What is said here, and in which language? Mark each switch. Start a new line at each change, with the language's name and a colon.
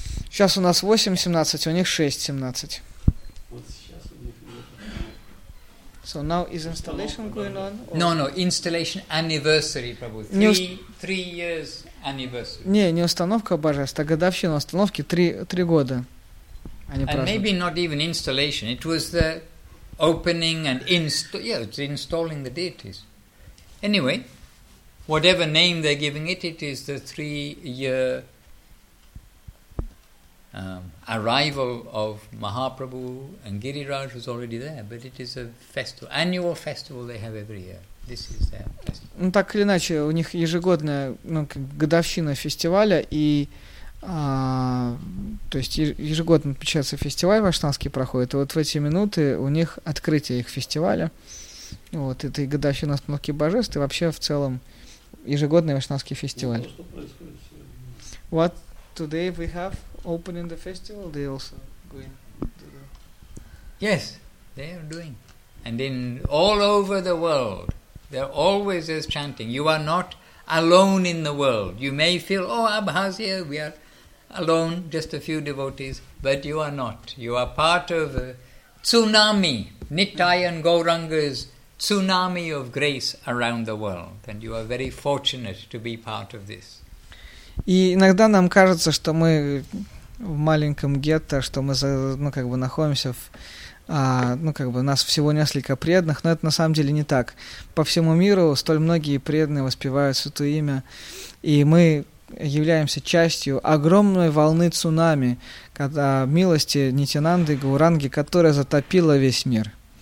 Russian: Сейчас у нас 8:17, у них 6:17.
English: So now is installation going on? Or? No, installation anniversary, Prabhu. Three years anniversary. Не, не установка божества, а годовщина установки три года. And maybe not even installation. It was the opening and installing the deities. Anyway, whatever name they're giving it, it is the three-year arrival of Mahaprabhu, and Giriraj was already there, but it is a festival, annual festival they have every year. This is their festival.
Russian: Ну, так или иначе, у них ежегодная годовщина фестиваля, и то есть ежегодно отмечается фестиваль ваштанский проходит, и вот в эти минуты у них открытие их фестиваля, вот, это и годовщина остановки божеств, и вообще в целом ежегодный ваштанский фестиваль. Ну, что
English: what today we have opening the festival, they also going to do. Yes, they are doing. And in all over the world, they're always as chanting. You are not alone in the world. You may feel, Abhazia, we are alone, just a few devotees, but you are not. You are part of a tsunami. Nityan Gauranga's tsunami of grace around the world. And you are very fortunate to be part of this.
Russian: И иногда нам кажется, что мы в маленьком гетто, что мы находимся в... нас всего несколько преданных, но это на самом деле не так. По всему миру столь многие преданные воспевают Святое Имя, и мы являемся частью огромной волны цунами, когда милости Нитянанды и Гауранги, которая затопила весь мир.